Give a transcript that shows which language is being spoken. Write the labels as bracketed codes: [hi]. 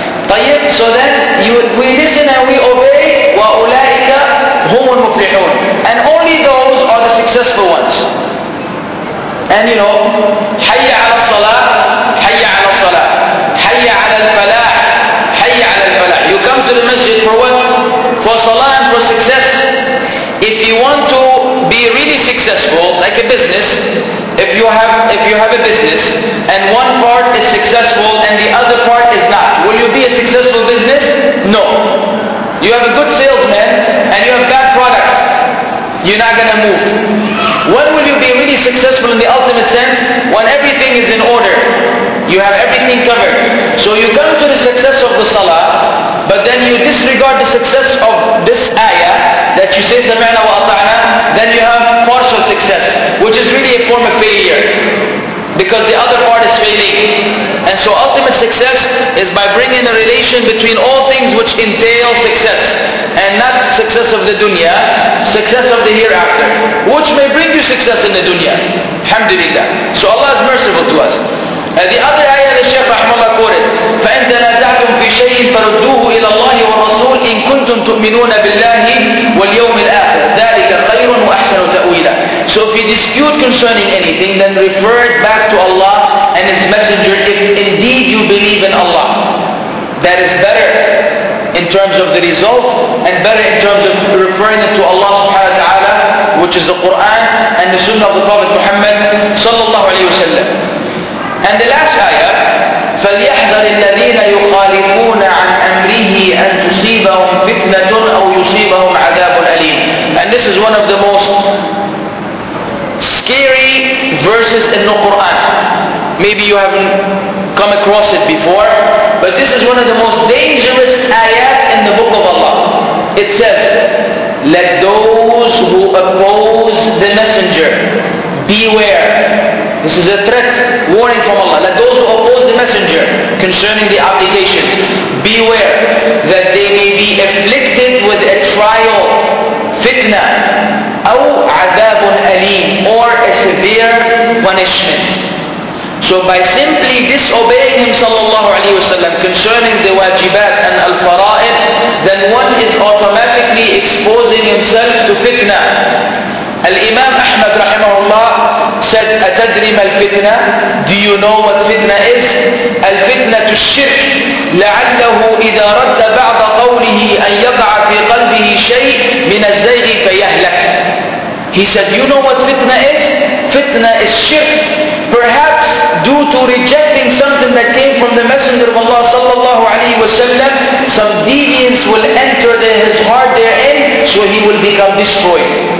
[en] طيب, so then we listen and we obey. [ar] وَأُولَٰئِكَ هُمُ الْمُفْلِحُونَ. [en] And only those are the successful ones. And you know, [ar] حي على الصلاة, حي على الصلاة, حي على الفلاح, حي على الفلاح. [en] You come to the masjid for what? For salah and for success. If you want to be really successful, like a business, if you have a business and one part is successful and the other part is not, will you be a successful business? No. You have a good salesman and you have bad product, you're not gonna move. When will you be really successful in the ultimate sense? When everything is in order, you have everything covered. So you come to the success of the salah, but then you disregard the success of this ayah that you say sami'na wa ata'na, then you have partial success, which is really a form of failure, because the other part is failing. And so ultimate success is by bringing a relation between all things which entail success, and not success of the dunya, success of the hereafter, which may bring you success in the dunya. Alhamdulillah. So Allah is merciful to us. And the other ayah the Shaykh rahmullah quoted, [ar] فَإِن تَنَازَعْتُمْ فِي شَيْءٍ فَرُدُّوهُ إِلَى اللَّهِ وَالرَّسُولِ إِن كُنْتُمْ تُؤْمِنُونَ بِاللَّهِ وَالْيَوْمِ الْآخِرِ ذَلِكَ خَيْرٌ وَأَحْسَنُ تَأْوِيلًا. [en] So if you dispute concerning anything, then refer it back to Allah and His Messenger. If indeed you believe in Allah, that is better in terms of the result, and better in terms of referring it to Allah subhanahu wa ta'ala, which is the Quran and the Sunnah of the Prophet Muhammad sallallahu alayhi wa sallam. And the last ayah, [ar] فَلْيَحْذَرِ الَّذِينَ يُخَالِفُونَ عَنْ أَمْرِهِ أَنْ تُصِيبَهُمْ فِتْنَةٌ أَوْ يُصِيبَهُمْ عَذَابٌ أَلِيمٌ. [en] And this is one of the most scary verses in the Quran. Maybe you haven't come across it before, but this is one of the most dangerous ayat in the book of Allah. It says, let those who oppose the messenger beware. This is a threat, warning from Allah. Let those who oppose the messenger concerning the obligations beware that they may be afflicted with a trial, fitna, [ar] أو عذاب أليم, [en] or a severe punishment. So by simply disobeying him sallallahu alayhi wa sallam concerning the wajibat and al-fara'id, then one is automatically exposing himself to fitna. Al-Imam Ahmad rahimahullah said, [ar] أتدري ما الفتنة? [en] Do you know what fitna is? [ar] الفتنة الشرك لعله إذا رد بعض قوله أن يقع في قلبه شيء من الزيغ فيهلك. [en] He said, you know what fitna is? Fitna is shirk. Perhaps due to rejecting something that came from the Messenger of Allah sallallahu alayhi wa sallam, some deviance will enter his heart therein, so he will become destroyed.